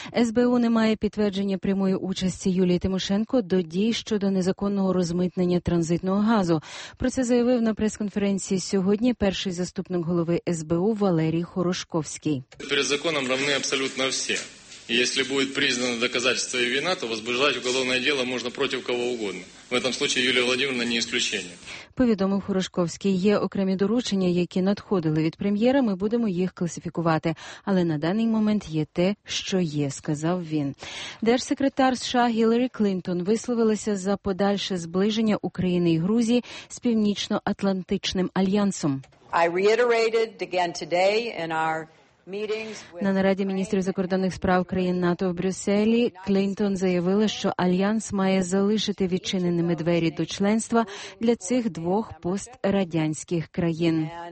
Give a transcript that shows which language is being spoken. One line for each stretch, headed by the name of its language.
Ukrainian: СБУ не має підтвердження прямої участі Юлії Тимошенко до дій щодо незаконного розмитнення транзитного газу. Про це заявив на прес-конференції сьогодні перший заступник голови СБУ Валерій Хорошковський. Перед законом рівні абсолютно всі. Якщо буде признано доказательство і вина, то возбуждати уголовне діло можна проти кого угодно.
Russian: В этом случае Юлия Владимировна не исключение.
Ukrainian: Повідомив Хорошковський, є окремі доручення, які надходили від прем'єра, ми будемо їх класифікувати. Але на даний момент є те, що є, сказав він. Держсекретар США Гіларі Клінтон висловилася за подальше зближення України і Грузії з Північно-Атлантичним альянсом.
English: I reiterated again today in our...
Ukrainian: На нараді міністрів закордонних справ країн НАТО в Брюсселі Клінтон заявила, що альянс має залишити відчиненими двері до членства для цих двох пострадянських країн.